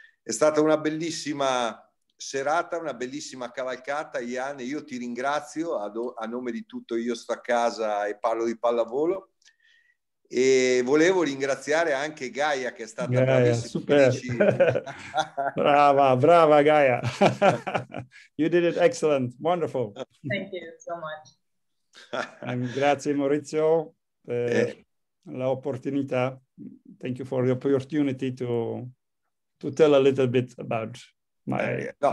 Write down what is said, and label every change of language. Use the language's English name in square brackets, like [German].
[Italian] È stata una bellissima serata, una bellissima cavalcata, Ian. Io ti ringrazio a nome di tutto Io Sto a Casa e Parlo di Pallavolo. E volevo ringraziare anche Gaia, che è stata bravissima. brava Gaia. [English] You did it excellent, wonderful. Thank you so much. [Italian] And grazie Maurizio per l'opportunità. [English] Thank you for the opportunity to tell a little bit about my...